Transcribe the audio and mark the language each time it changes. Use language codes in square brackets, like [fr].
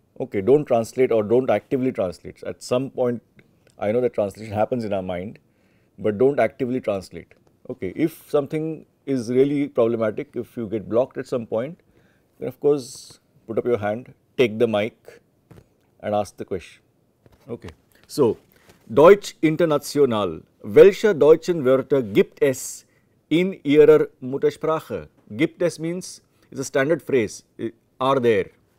[en] Okay, don't translate or don't actively translate. At some point, I know that translation happens in our mind, but don't actively translate. Okay, if something is really problematic, if you get blocked at some point, then of course put up your hand, take the mic and ask the question. Okay. So, Deutsch International. [de] Welche deutschen Wörter gibt es in Ihrer Muttersprache? Gibt es [en] means, it's a standard phrase, are there.